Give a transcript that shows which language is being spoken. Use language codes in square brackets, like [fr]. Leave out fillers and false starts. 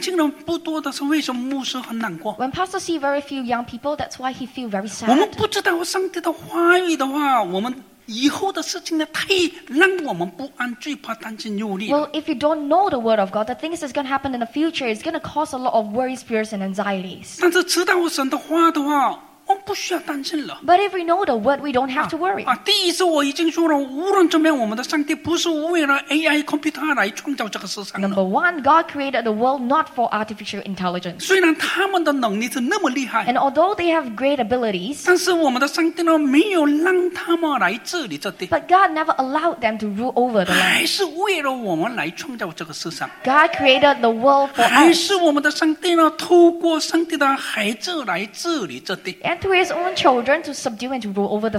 [zh] 看这个年轻人不多的时候，为什么牧师很难过？ [en] When pastors see very few young people, that's why he feels very sad. [zh] 我们不知道上帝的话语的话，我们 以后的事情呢，太让我们不安，最怕担心忧虑。 [en] Well, if you don't know the word of God, the things that's going to happen in the future is going to cause a lot of worries, fears, and anxieties. [zh] 但是知道神的话的话， [en] But if we know the word, we don't have to worry. [zh] 第一次我已经说了，无论怎么样，我们的上帝不是为了AI computer来创造这个世上。 [en] Number one, God created the world not for artificial intelligence. [zh] 虽然他们的能力是那么厉害， [en] And although they have great abilities, [zh] 但是我们的上帝呢，没有让他们来治理这地。 [en] But God never allowed them to rule over the land. [zh] 还是为了我们来创造这个世上。 [en] God created the world for us. [zh] 还是我们的上帝呢，透过上帝的孩子来治理这地。 [en] And to his own children to subdue and to rule over the